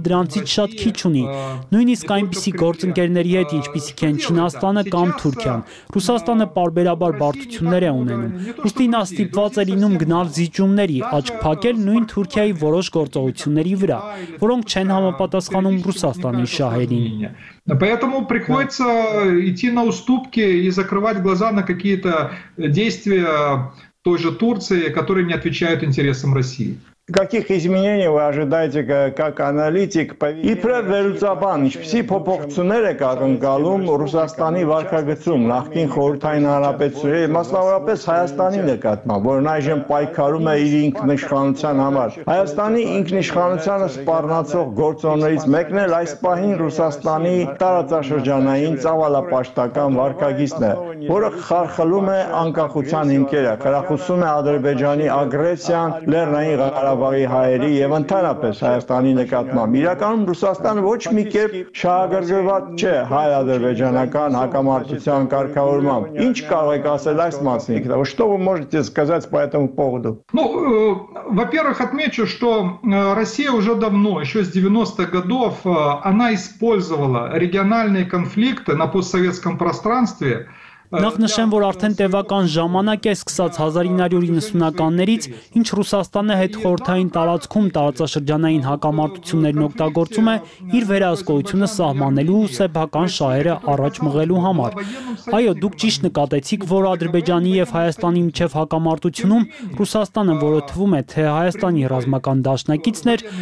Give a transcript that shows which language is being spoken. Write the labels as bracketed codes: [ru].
[hy] դրանցից շատ քիչ ունի։ Նույնիսկ այնպիսի գործընկերների հետ, ինչպիսիք են Չինաստանը կամ Թուրքիան, Ռուսաստանը պարբերաբար բարդություններ է ունենում։ Ուստի նա ստիպված է լինում գնալ զիջումների, աչք փակել նույն Թուրքիայի որոշ գործողությունների վրա, որոնք չեն համապատասխանում Ռուսաստանի շահերին։ [ru] Поэтому приходится идти на уступки и закрывать глаза на какие-то действия той же Турции, которые не отвечают интересам России. Каких изменений вы ожидаете как аналитик? И предварительно, [hy] ինչպիսի փոփոխություններ եք ակնկալում Ռուսաստանի վարկագծում նախքին խորհրդային հանրապետությունների, մասնավորապես Հայաստանի նկատմամբ, որն այժմ պայքարում է իր ինքնիշխանության համար։ Հայաստանի ինքնիշխանությանը սպառնացող գործոններից մեկն էլ այս պահին Ռուսաստանի տարածաշրջանային ծավալապաշտական վարկագիծն է, որը խարխլում է անկախության հիմքերը, խրախուսում է Ադրբեջանի ագրեսիան Լեռնային Ղարաբաղի հայերի եւ ընդհանրապես Հայաստանի նկատմամբ։ Իրականում Ռուսաստանը ոչ մի կերպ շահագրգռված չէ հայ-ադրբեջանական հակամարտության կարգավորմամբ։ Ինչ կարող եք ասել այս մասին, [ru] что вы можете сказать по этому поводу? Ну, во-первых, отмечу, что Россия уже давно, еще с 90-х годов, она использовала региональные конфликты на постсоветском пространстве. [hy] Նախ նշեմ, որ արդեն տևական ժամանակ է սկսած 1990-ականներից, ինչ Ռուսաստանը հետ խորհրդային տարածքում տարածաշրջանային հակամարտություններն օգտագործում է իր վերահսկողությունը սահմանելու ու սեփական շահերը առաջ մղելու համար։ Այո, դուք ճիշտ նկատեցիք, որ Ադրբեջանի եւ Հայաստանի միջև հակամարտությունում Ռուսաստանը որոթվում է, թե Հայաստանի ռազմական դաշնակիցն է,